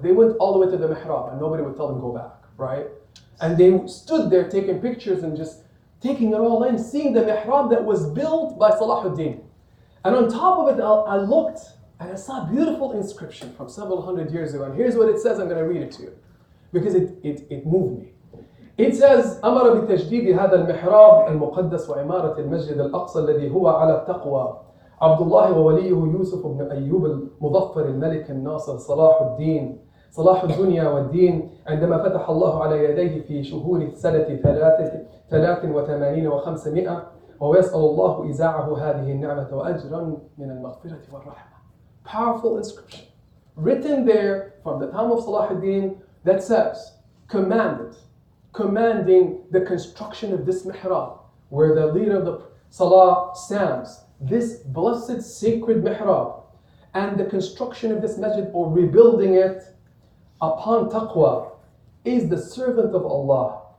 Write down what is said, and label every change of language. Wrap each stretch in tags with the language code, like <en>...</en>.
<en>They went all the way to the mihrab and nobody would tell them go back, right? And they stood there taking pictures and just taking it all in, seeing the mihrab that was built by Salah al-Din. And on top of it, I looked and I saw a beautiful inscription from several hundred years ago. And here's what it says. I'm going to read it to you because it moved me. It says,</en> <ar>أمر بتجديد هذا المحراب المقدس وعمارة المسجد الأقصى الذي هو على التقوى عبد الله ووليه يوسف بن أيوب المظفر الملك الناصر صلاح الدين صلاح الدنيا والدين عندما فتح الله على يديه في شهور سنة 83 و500 ويسأل الله إزاعه هذه النعمة وأجرا من المغفرة والرحمة.</ar> <en>Powerful inscription written there from the time of Salah al-Din that says, commanding the construction of this mihrab where the leader of the Salah stands, this blessed sacred mihrab, and the construction of this masjid or rebuilding it upon taqwa is the servant of Allah</en>